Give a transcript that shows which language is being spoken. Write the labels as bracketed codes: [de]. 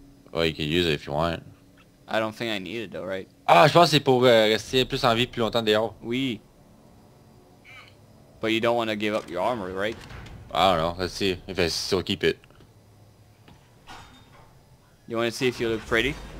[en] Well, you can use it if you want. I don't think I need it though, right? [fr] Ah, je pense que c'est pour rester plus en vie plus longtemps dehors. Oui. [en] But you don't want to give up your armor, right? I don't know. Let's see if I still keep it. You want to see if you look pretty?